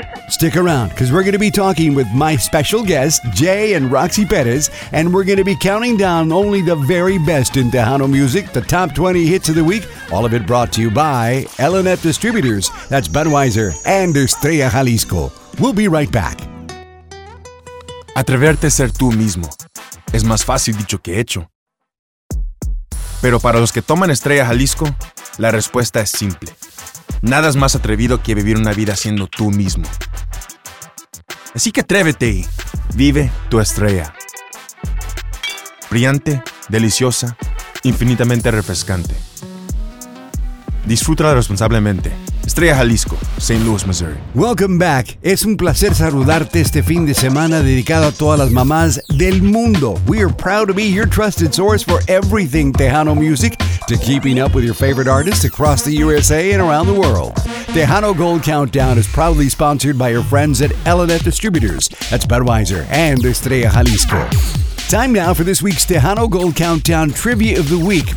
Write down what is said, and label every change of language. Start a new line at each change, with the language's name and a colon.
English: Stick around, because we're going to be talking with my special guests, Jay and Roxy Perez, and we're going to be counting down only the very best in Tejano music, the top 20 hits of the week, all of it brought to you by L&F Distributors, that's Budweiser and Estrella Jalisco. We'll be right back.
Spanish: Atreverte a ser tú mismo es más fácil dicho que hecho. Pero para los que toman Estrella Jalisco, la respuesta es simple. Nada es más atrevido que vivir una vida siendo tú mismo. Así que atrévete y vive tu estrella. Brillante, deliciosa, infinitamente refrescante. Disfrútala responsablemente. Estrella Jalisco, St. Louis, Missouri.
English: Welcome back.
Spanish: Es un placer saludarte este fin de semana dedicado a todas las mamás del mundo.
English: We are proud to be your trusted source for everything Tejano music, to keeping up with your favorite artists across the USA and around the world. Tejano Gold Countdown is proudly sponsored by your friends at L&F Distributors. That's Budweiser and Estrella Jalisco. Time now for this week's Tejano Gold Countdown Trivia of the Week.